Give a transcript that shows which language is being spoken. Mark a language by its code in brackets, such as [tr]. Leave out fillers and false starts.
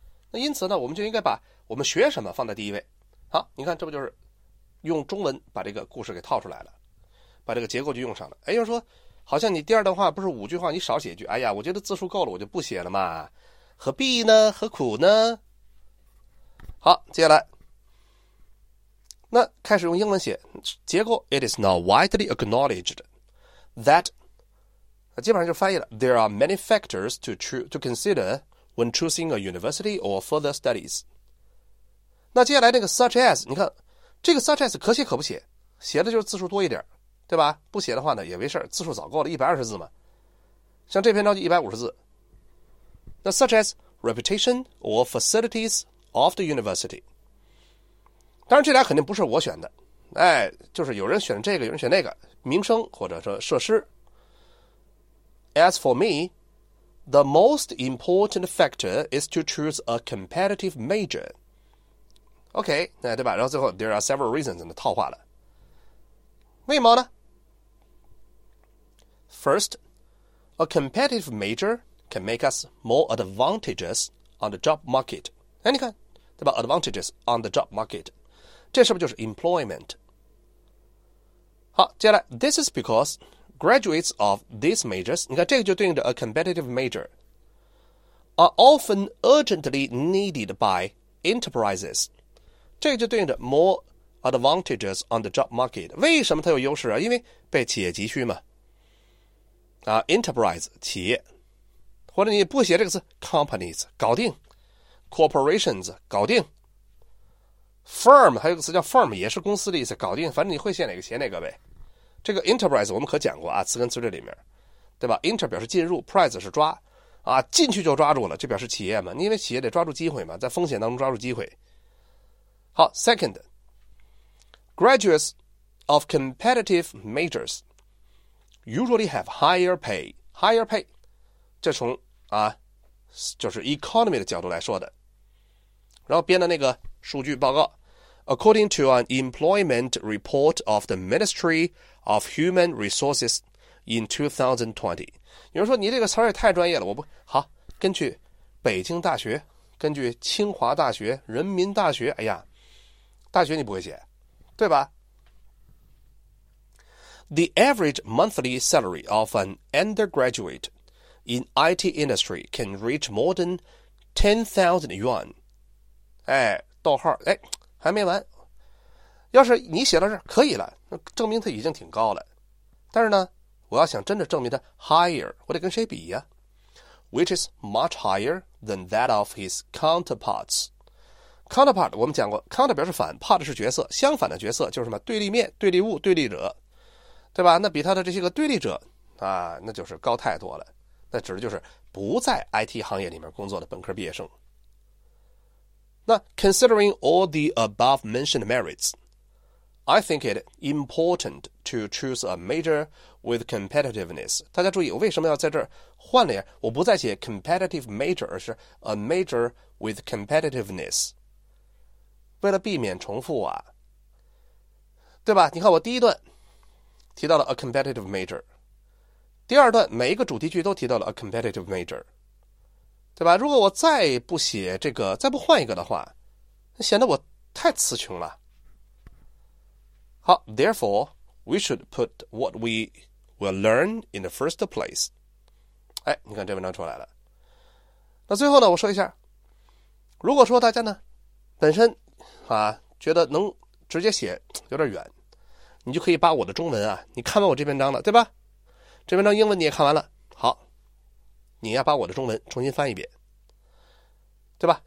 [zh] 那因此呢，我们就应该把我们学什么放在第一位。好，你看这不就是用中文把这个故事给套出来了，把这个结构就用上了。哎，要说好像你第二段话不是五句话，你少写一句。哎呀，我觉得字数够了，我就不写了嘛，何必呢？何苦呢？好，接下来，那开始用英文写结构。 [en] It is now widely acknowledged that。 [zh] 基本上就翻译了。 [en] There are many factors to consider when choosing a university or further studies。 [zh] 那接下来那个 [en] such as， [zh] 你看这个 such as 可写可不写，写的就是字数多一点，对吧？不写的话呢也没事，字数早够了，120字嘛。像这篇章就150字。 [en] 那 such as reputation or facilities of the university。 [zh] 当然这俩肯定不是我选的，哎，就是有人选这个，有人选那个，名声或者说设施。 [en] As for me, the most important factor is to choose a competitive major. [zh] OK，那对吧？然后最后 [en] there are several reasons [zh] 的套话了。为什么呢？ [en] First, a competitive major can make us more advantageous on the job market. [zh] 哎，你看，对吧？ [en] Advantages on the job market， [zh] 这是不是就是 employment？好， [en] 接下来 ，this is because graduates of these majors， [zh] 你看这个就对应着 [en] a competitive major， are often urgently needed by enterprises， [zh] 这个就对应着 [en] more advantages on the job market。 [zh] 为什么它有优势啊？因为被企业急需嘛。啊 ，enterprise 企业，或者你不写这个字 ，companies 搞定 ，corporations 搞定 ，firm 还有个词叫 firm， 也是公司的意思，搞定。反正你会写哪个写哪个呗。这个 enterprise 我们可讲过啊，词根词缀里面，对吧 ？inter 表示进入 ，prize 是抓，啊，进去就抓住了，这表示企业嘛，因为企业得抓住机会嘛，在风险当中抓住机会。 [en] 好 ，second， graduates of competitive majors usually have higher pay， higher pay， [zh] 这从啊就是 [en] economy [zh] 的角度来说的，然后编的那个数据报告。 [en] According to an employment report of the Ministry of Human Resources in 2020, [zh] 有人说你这个词也太专业了，我不好，根据北京大学，根据清华大学，人民大学，哎呀，大学你不会写，对吧？ [en] The average monthly salary of an undergraduate in IT industry can reach more than 10,000 yuan. [zh] 哎，逗号，哎。还没完，要是你写到这儿可以了，那证明它已经挺高了。但是呢，我要想真的证明它 higher， 我得跟谁比呀 ？ [en] Which is much higher than that of his counterparts. [zh] Counterpart 我们讲过 ，counter 表示反 ，part 是角色，相反的角色就是什么？对立面、对立物、对立者，对吧？那比他的这些个对立者啊，那就是高太多了。那指的就是不在 IT 行业里面工作的本科毕业生。 [en] 那 considering all the above mentioned merits, I think it important to choose a major with competitiveness. [zh] 大家注意，我为什么要在这儿换了呀？我不再写 [en] competitive major， [zh] 而是 [en] a major with competitiveness， [zh] 为了避免重复啊，对吧？你看我第一段提到了 [en] a competitive major， [zh] 第二段每一个主题句都提到了 a competitive major。对吧？如果我再不写这个，再不换一个的话，显得我太词穷了。好 ， [en] therefore we should put what we will learn in the first place。 [zh] 哎，你看这文章出来了。那最后呢，我说一下，如果说大家呢本身啊觉得能直接写有点远，你就可以把我的中文啊，你看完我这篇章了，对吧？这篇章英文你也看完了。你要把我的中文重新翻一遍，对吧？